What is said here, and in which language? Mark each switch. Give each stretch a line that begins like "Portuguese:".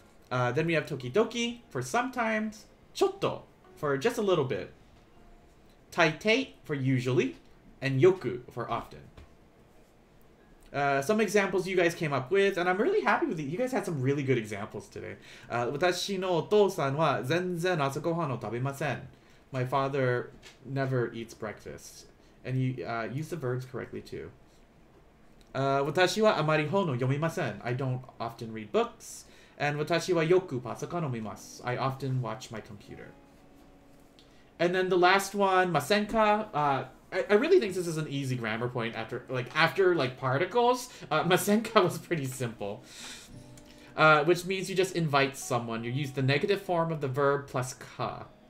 English: Then we have tokidoki for sometimes. Chotto for just a little bit. Taitei for usually. And yoku for often. Some examples you guys came up with, and I'm really happy with it. You guys had some really good examples today.
Japanese: 私のお父さんは全然朝ごはんを食べません.
English: My father never eats breakfast. And you use the verbs correctly too.
Japanese: 私はあまり本を読みません.
English: I don't often read books.
Japanese: And 私はよくパソコンを見ます.
English: I often watch my computer. And then the last one, masenka. I really think this is an easy grammar point after particles. Masenka was pretty simple. Which means you just invite someone. You use the negative form of the verb plus ka.